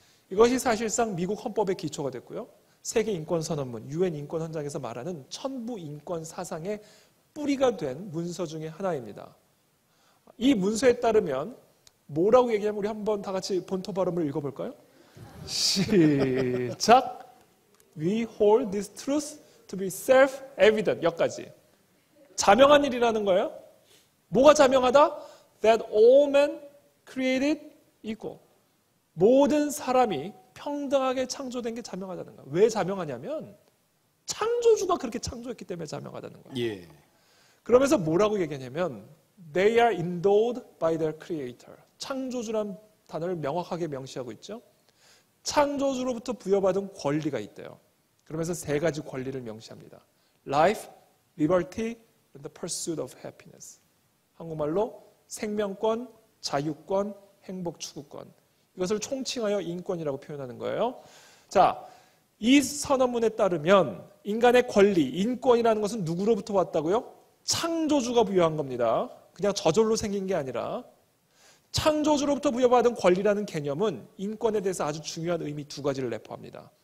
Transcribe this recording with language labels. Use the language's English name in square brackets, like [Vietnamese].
[Korean] 이것이 사실상 미국 헌법의 기초가 됐고요. 세계인권선언문, 유엔인권헌장에서 말하는 천부인권사상의 뿌리가 된 문서 중에 하나입니다. 이 문서에 따르면 뭐라고 얘기하면 우리 한번 다 같이 본토 발음을 읽어볼까요? 시작! [English] We hold this truth to be self-evident. [Korean] 여기까지. 자명한 일이라는 거예요. 뭐가 자명하다? [English] That all men created equal. [Korean] 모든 사람이 평등하게 창조된 게 자명하다는 거예요. 왜 자명하냐면 창조주가 그렇게 창조했기 때문에 자명하다는 거예요. 예. 그러면서 뭐라고 얘기하냐면 [English] They are endowed by their creator. [Korean] 창조주란 단어를 명확하게 명시하고 있죠. 창조주로부터 부여받은 권리가 있대요. 그러면서 세 가지 권리를 명시합니다. [English] Life, liberty, and the pursuit of happiness. [Korean] 한국말로 생명권, 자유권, 행복 추구권. 이것을 총칭하여 인권이라고 표현하는 거예요. 자, 이 선언문에 따르면 인간의 권리, 인권이라는 것은 누구로부터 왔다고요? 창조주가 부여한 겁니다. 그냥 저절로 생긴 게 아니라 창조주로부터 부여받은 권리라는 개념은 인권에 대해서 아주 중요한 의미 두 가지를 내포합니다.